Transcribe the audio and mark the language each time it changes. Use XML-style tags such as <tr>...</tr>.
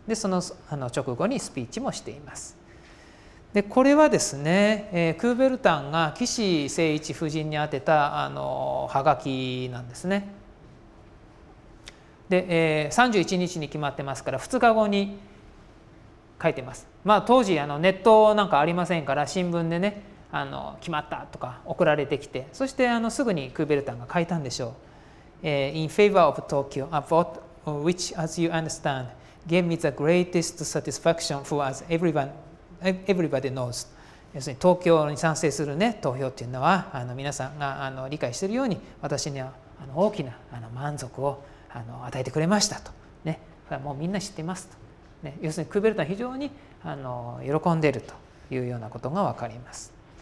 <ja>で、その直後にスピーチもしています。で、これはですね、クーベルタンが岸誠一夫人に宛てたはがきなんですね。で、31日に決まってますから2日後に書いてます。まあ、当時ネットなんかありませんから、新聞でね、決まったとか送られてきて、そしてすぐにクーベルタンが書いたんでしょう。</ja> <en>In favor of Tokyo, a vote which as you understand gave me the greatest satisfaction for us everybody knows。</en> <ja>要するに東京に賛成する、ね、投票っていうのは皆さんが理解しているように私には大きな満足を与えてくれましたと、ね、もうみんな知ってますと、ね、要するにクーベルタンは非常に喜んでいるというようなことが分かります。</ja>